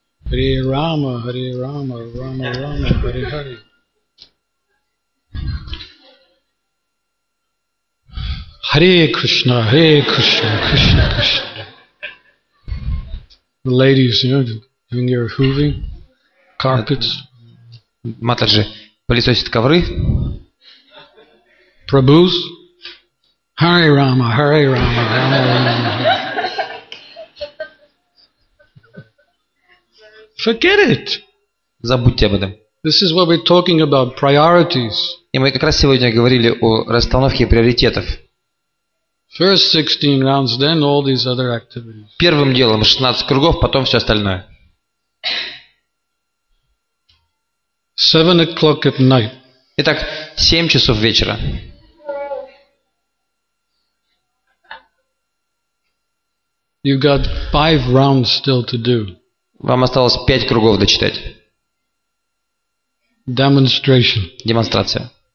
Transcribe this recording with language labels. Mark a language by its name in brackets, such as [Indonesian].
[Sanskrit] Hare Rama, Hare Rama, Rama Rama, Hare Hare. Hare Krishna, Hare Krishna, Krishna Krishna. [English] The ladies, you know, doing your hoovering, carpets. [Russian] Матаджи, пылесосит ковры. [Sanskrit] Prabhus. Hare Rama, Hare Rama, Rama Rama. [English] Forget it. [Russian] Забудьте об этом. [English] This is what we're talking about, priorities. [Russian] И мы как раз сегодня говорили о расстановке приоритетов. [English] First 16 rounds, then all these other activities. [Russian] Первым делом 16 кругов, потом все остальное. [English] 7 o'clock at night. [Russian] Итак, 7 часов вечера. [English] You got 5 rounds still to do. [Russian] Вам осталось 5 кругов дочитать. [English] Demonstration. [Russian] Демонстрация.